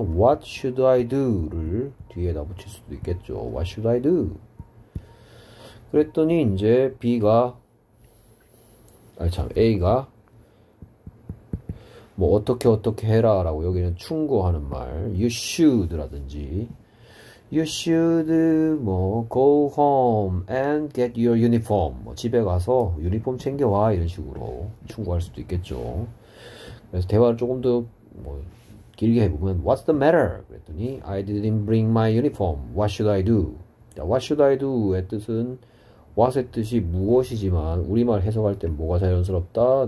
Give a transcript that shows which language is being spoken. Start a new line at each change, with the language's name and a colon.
English: What should I do?
Korean: 를 뒤에다 붙일 수도 있겠죠.
English: What should I do?
Korean: 그랬더니 이제 B가 아니 참 A가 뭐 어떻게 해라라고, 여기는 충고하는 말.
English: You should라든지 You should 뭐 go home and get your uniform.
Korean: 뭐 집에 가서 유니폼 챙겨와 이런 식으로 충고할 수도 있겠죠. 그래서 대화를 조금 더뭐 길게 해보면
English: What's the matter? 그랬더니 I didn't bring my uniform. What should I do? What should I do?
Korean: 의 뜻은 what의 뜻이 무엇이지만 우리말 해석할 땐 뭐가 자연스럽다?